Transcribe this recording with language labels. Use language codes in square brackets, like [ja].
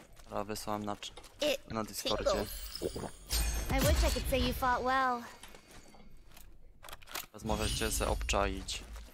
[pl] Ja wysłałem na Discordzie. [en] I wish I could say you fought well. [pl] Teraz możecie się obczaić.